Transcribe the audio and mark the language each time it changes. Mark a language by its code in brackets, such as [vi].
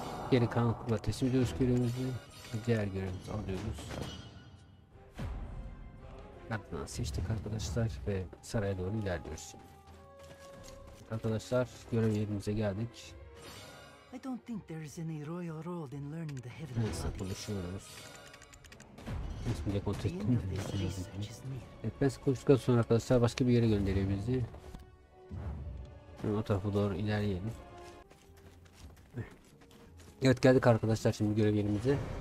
[tr] Geri karanlıkla teslim ediyoruz görevimizi. Diğer görevimizi alıyoruz. Aklından seçtik arkadaşlar ve saraya doğru ilerliyoruz. Arkadaşlar, görev yerimize geldik. [en] I don't think there's any royal role in learning the heavenly bodies. [tr] Neyse, konuşuyoruz. İsmi de kontrol ettim. Evet, ben size konuştuktan sonra arkadaşlar başka bir yere gönderiyor bizi. Şimdi o tarafa doğru ilerleyelim. Evet, geldik arkadaşlar şimdi görev yerimize.